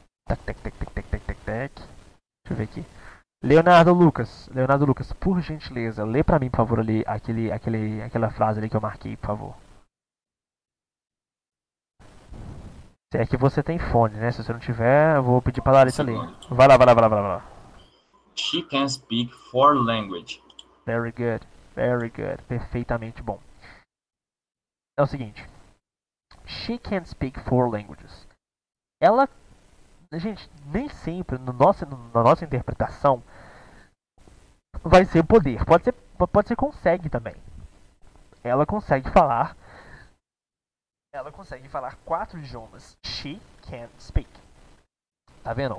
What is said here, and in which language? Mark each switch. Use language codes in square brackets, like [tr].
[pt] Tac-tac-tac-tac-tac-tac-tac. Deixa eu ver aqui. Leonardo Lucas, por gentileza, lê pra mim, por favor, ali, aquela frase ali que eu marquei, por favor. É que você tem fone, né? Se você não tiver, eu vou pedir para a Larissa ler. Segundo. Vai lá, vai lá, vai lá, vai lá. [en] She can speak four languages. Very good, very good. [pt] Perfeitamente bom. É o seguinte. [en] She can speak four languages. [pt] Ela, gente, nem sempre no nosso, no, na nossa interpretação vai ser poder. Pode ser consegue também. Ela consegue falar. Ela consegue falar quatro idiomas. [en] She can speak. [pt] Tá vendo?